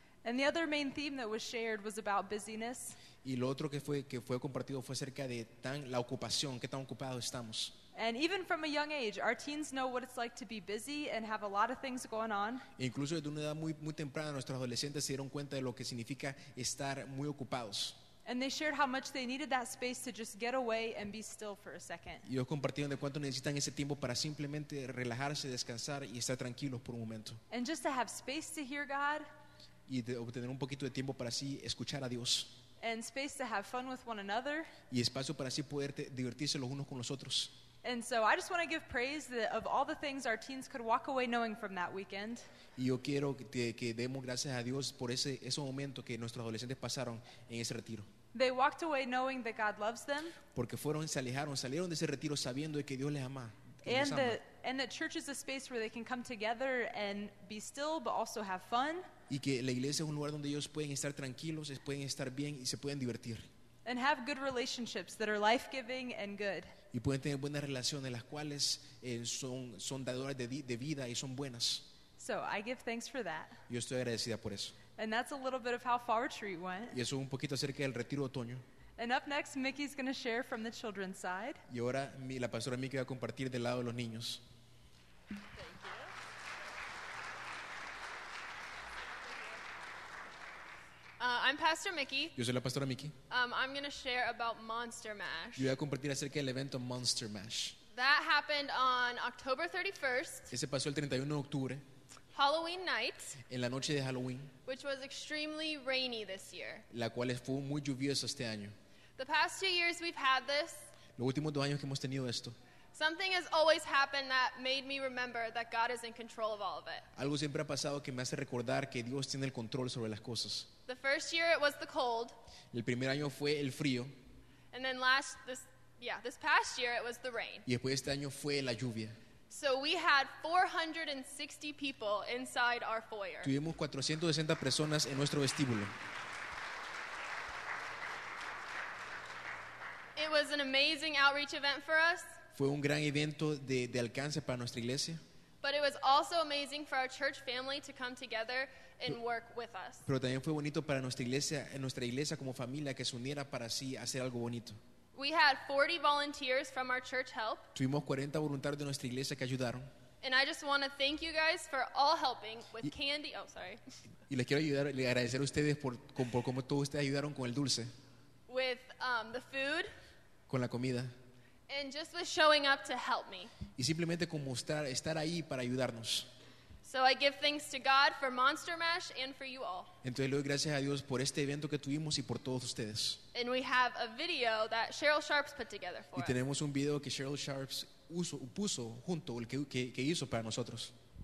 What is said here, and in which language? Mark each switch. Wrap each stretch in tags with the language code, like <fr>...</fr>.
<en>And the other main theme that was shared was about busyness.</en> <es>Y lo otro que fue compartido fue acerca de la ocupación, qué tan ocupados estamos.</es> <en>And even from a young age, our teens know what it's like to be busy and have a lot of things going on.</en> <es>E incluso desde una edad muy muy temprana nuestros adolescentes se dieron cuenta de lo que significa estar muy ocupados.</es> <en>And they shared how much they needed that space to just get away and be still for a second.</en> <es>Y compartieron de cuánto necesitan ese tiempo para simplemente relajarse, descansar y estar tranquilos por un momento.</es> <en>And just to have space to hear God.</en> <es>Y de obtener un poquito de tiempo para así escuchar a Dios.</es> <en>And space to have fun with one another.</en> <es>Y espacio para así poder divertirse los unos con los otros.</es> <en>And so I just want to give praise that of all the things our teens could walk away knowing from that weekend.</en> <es>Y yo quiero que demos gracias a Dios por ese momento que nuestros adolescentes pasaron en ese retiro.</es> <en>They walked away knowing that God loves them.</en> <es>Porque salieron de ese retiro sabiendo de que Dios les ama.</es> <en>And that church is a space where they can come together and be still, but also have fun.</en> <es>Y que la iglesia es un lugar donde ellos pueden estar tranquilos, pueden estar bien y se pueden divertir.</es> <en>And have good relationships that are life-giving and good.</en> <es>Y pueden tener buenas relaciones, las cuales son dadoras de vida y son buenas.</es> <en>So I give thanks for that.</en> <es>Yo estoy agradecida por eso.</es> <en>And that's a little bit of how fall retreat went.</en> <es>Y eso es un poquito acerca del retiro de otoño.</es> <en>And up next, Mickey's going to share from the children's side.</en> <es>Y ahora la pastora Mickey va a compartir del lado de los niños.</es> <en>I'm Pastor Mickey.</en> <es>Yo soy la pastora Mickey.</es> <en>I'm going to share about Monster Mash.</en> <es>Yo voy a compartir acerca del evento Monster Mash.</es> <en>That happened on October 31st.</en> <es>Ese pasó el 31 de octubre.</es> <en>Halloween night.</en> <es>En la noche de Halloween.</es> <en>Which was extremely rainy this year.</en> <es>La cual fue muy lluviosa este año.</es> <en>The past 2 years we've had this.</en> <es>Los últimos dos años que hemos tenido esto.</es> <en>Something has always happened that made me remember that God is in control of all of it.</en> <es>Algo siempre ha pasado que me hace recordar que Dios tiene el control sobre las cosas.</es> <en>The first year it was the cold.</en> <es>El primer año fue el frío.</es> <en>And then this past year it was the rain.</en> <es>Y después este año fue la lluvia.</es> <en>So we had 460 people inside our foyer.</en> <es>Tuvimos 460 personas en nuestro vestíbulo.</es> <en>It was an amazing outreach event for us.</en> <es>Fue un gran evento de alcance para nuestra iglesia.</es> <en>But it was also amazing for our church family to come together and work with us.</en> <es>Pero también fue bonito para nuestra iglesia como familia que se uniera para así hacer algo bonito.</es> <en>We had 40 volunteers from our church help.</en> <es>Tuvimos 40 voluntarios de nuestra iglesia que ayudaron.</es> <en>And I just want to thank you guys for all helping with candy. Oh, sorry.</en> <es>Y les quiero ayudar, les agradecer a ustedes por cómo todos ustedes ayudaron con el dulce.</es> <en>With the food.</en> <es>Con la comida.</es> <en>And just with showing up to help me.</en> <es>Y simplemente con mostrar estar ahí para ayudarnos.</es> <en>So I give thanks to God for Monster Mash and for you all.</en> <es>Entonces le doy gracias a Dios por este evento que tuvimos y por todos ustedes.</es> <en>And we have a video that Cheryl Sharps put together for us.</en> <es>Y tenemos un video que Cheryl Sharps puso junto el que hizo para nosotros.</es>